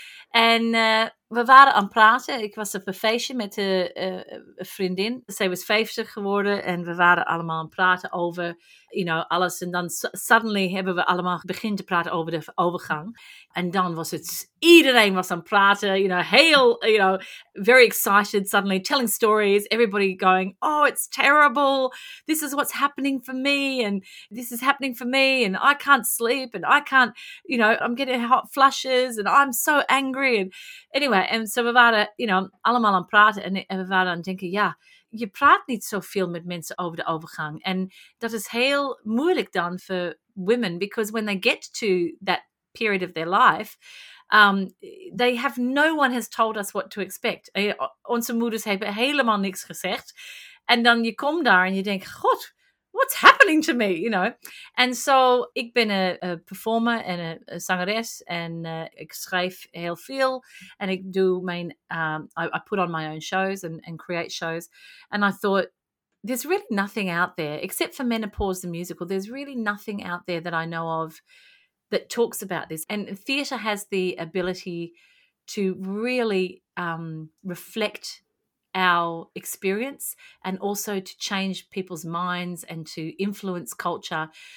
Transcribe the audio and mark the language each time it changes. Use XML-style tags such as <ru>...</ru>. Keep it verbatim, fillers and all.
<nl>En uh, we waren aan het praten. Ik was op een feestje met uh, uh, een vriendin. Zij was vijftig geworden en we waren allemaal aan het praten over</nl> <en>you know,</en> <nl>alles. En dan</nl> <en>suddenly</en> <nl>hebben we allemaal begin te praten over de overgang. En dan was het, iedereen was aan het praten.</nl> <en>You know,</en> <nl>heel,</nl> <en>you know, very excited suddenly, telling stories. Everybody going, oh, it's terrible. This is what's happening for me. And this is happening for me. And I can't sleep. And I can't, you know, I'm getting hot flushes. And I'm so angry. And anyway,</en> <nl>en zo</nl> <en>so</en> <nl>we waren</nl> <en>you know,</en> <nl>allemaal aan het praten. En, en we waren aan het denken, ja... Je praat niet zoveel met mensen over de overgang. En dat is heel moeilijk dan voor</nl> <en>women. Because when they get to that period of their life... Um, they have no one has told us what to expect.</en> <nl>En onze moeders hebben helemaal niks gezegd. En dan je komt daar en je denkt...</nl> <en>God, what's happening to me? You know?</en> <nl>En zo, ik ben een, een performer en een, een zangeres. En uh, ik schrijf heel veel. En ik doe mijn...</nl> <en>Um, I, I put on my own shows and, and create shows. And I thought, there's really nothing out there. Except for Menopause the Musical. There's really nothing out there that I know of that talks about this. And theatre has the ability to really um, reflect our experience and also to change people's minds and to influence culture.</en>